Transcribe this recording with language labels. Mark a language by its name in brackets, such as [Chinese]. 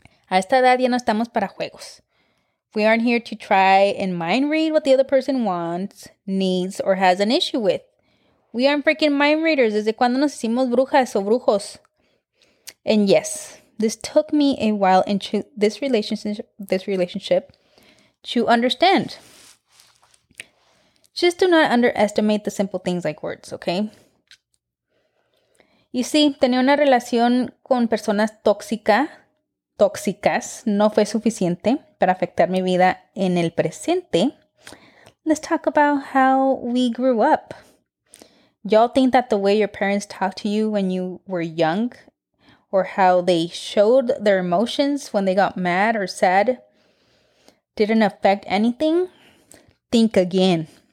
[Spanish] A esta edad ya no estamos para juegos. [English] We aren't here to try and mind read what the other person wants, needs, or has an issue with. We aren't freaking mind readers. [Spanish] ¿Desde cuándo nos hicimos brujas o brujos? [English] And yes, this took me a while into this relationship to understand. Just do not underestimate the simple things like words, okay? [Spanish] Y sí, tener una relación con personas tóxicas, no fue suficiente para afectar mi vida en el presente. [English] Let's talk about how we grew up. Y'all think that the way your parents talked to you when you were young, or how they showed their emotions when they got mad or sad, didn't affect anything? Think again.